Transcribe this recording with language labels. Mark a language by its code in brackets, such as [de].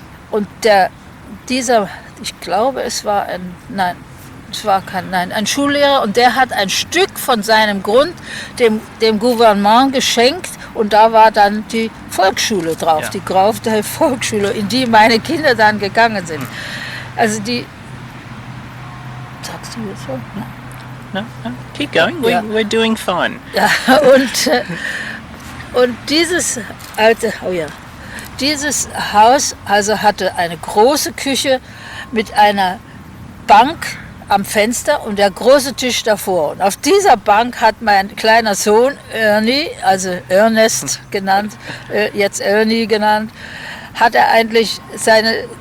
[de] Und ein Schullehrer, und der hat ein Stück von seinem Grund dem Gouvernement geschenkt, und da war dann die Volksschule drauf, ja. Die Graufdahl Volksschule, in die meine Kinder dann gegangen sind. Also die... Sagst du jetzt so? [en] No, keep going, we're doing fine. [de] Ja, und dieses alte, dieses Haus also hatte eine große Küche mit einer Bank am Fenster und der große Tisch davor. Und auf dieser Bank hat mein kleiner Sohn Ernie, also Ernest genannt, jetzt Ernie genannt, hat er eigentlich seine...